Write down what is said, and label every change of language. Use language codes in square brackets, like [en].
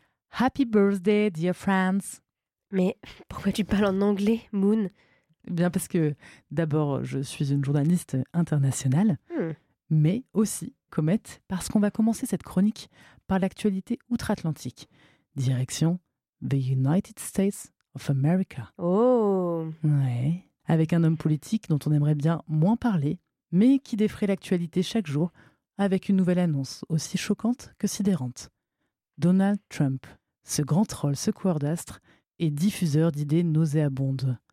[en] Happy birthday, dear friends! [fr] Mais pourquoi tu parles en anglais, Moon? Bien parce que d'abord, je suis une journaliste internationale, mais aussi, Comète, parce qu'on va commencer cette chronique par l'actualité outre-Atlantique. Direction The United States of America. Oh! Ouais, avec un homme politique dont on aimerait bien moins parler, mais qui défraie l'actualité chaque jour avec une nouvelle annonce aussi choquante que sidérante. Donald Trump, ce grand troll secoueur d'astres et diffuseur d'idées nauséabondes.